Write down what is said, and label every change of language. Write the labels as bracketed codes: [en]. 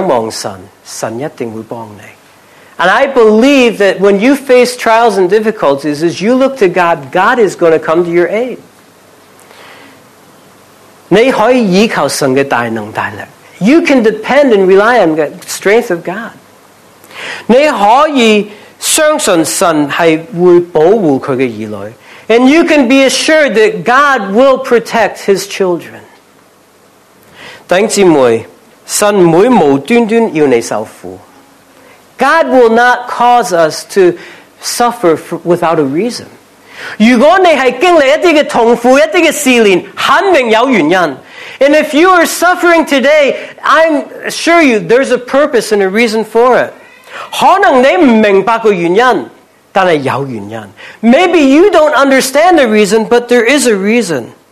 [zh] 那我相信面对痛苦仰望神神一定会帮你。 [en] And I believe that when you face trials and difficulties, as you look to God, God is going to come to your aid. [zh] 你可以依靠神的大能大力。 [en] You can depend and rely on the strength of God. [zh] 你可以相信神是会保护他的儿女。 [en] And you can be assured that God will protect His children. [zh] 弟兄姊妹，神不会无端端要你受苦。 [en] God will not cause us to suffer without a reason. [zh] 如果你是经历一些痛苦、一些试炼，肯定有原因。 [en] And if you are suffering today, I assure you there's a purpose and a reason for it. [zh] 可能你不明白个原因，但是有原因。 [en] Maybe you don't understand the reason, but there is a reason.